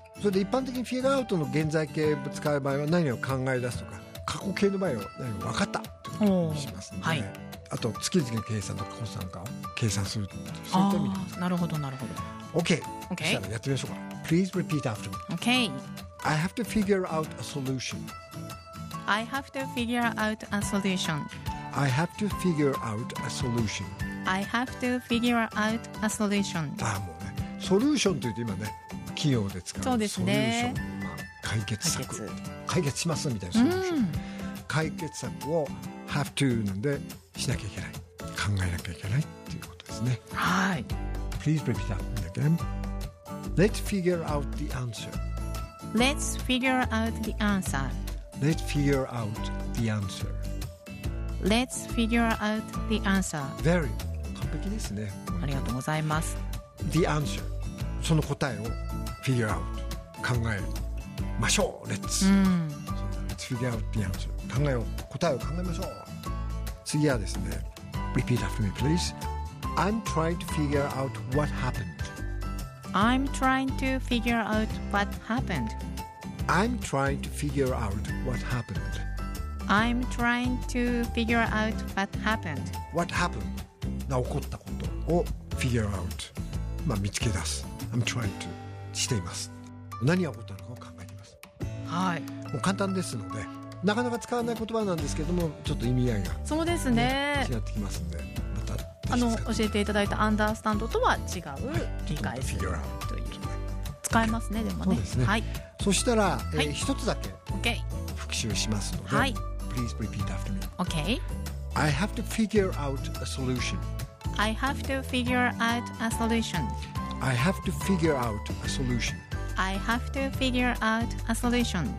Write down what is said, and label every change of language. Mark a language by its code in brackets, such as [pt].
[ja] それで一般的にフィギュアアウトの現在形を使う場合は何を考え出すとか、過去形の場合は何を分かったとしますので、ね、はい、あと月々の計算とか個算を計算する、そういった意味です。なるほどなるほど。 OK じゃあやってみましょうか。 [en] Please repeat after me. OK. I have to figure out a solution. I have to figure out a solution. I have to figure out a solution I have to figure out a solution. [ja] ああもうね、ソリューションというと今ね、企業で使う、そうですね、ソリューション、まあ、解決策、解決しますみたいなソリューション、解決策を [en] have to [ja] なんでしなきゃいけない、考えなきゃいけないっていうことですね。はい。 [en] Please repeat that again. Let's figure out the answer. Let's figure out the answer. Let's figure out the answer Let's figure out the answer. Very. [ja] 完璧ですね。ありがとうございます。 [en] The answer. [ja] その答えを figure out. 考えましょう。 [en] Let's.、 [ja] うん、 [en] Let's figure out the answer. [ja] 考えを、答えを考えましょう。次はですね。 [en] Repeat after me, please. I'm trying to figure out what happened. I'm trying to figure out what happened. I'm trying to figure out what happened. I'm trying to figure out what happened. What happened? [ja] が起こったことを figure out、まあ、見つけ出す。 [en] I'm trying to [ja] しています。何が起こったのかを考えています。はい。もう簡単ですので、なかなか使わない言葉なんですけども、ちょっと意味合いが、そうですね、違ってきますので、またあの教えていただいた understand とは違う理解する [en] figure out [ja] という、使えますね。でもね、そうですね、はい、そしたら、はい、一つだけ [en] OK [ja] しますので、はい、 [en] Please repeat after me. Okay. I have to figure out a solution. I have to figure out a solution. I have to figure out a solution. I have to figure out a solution.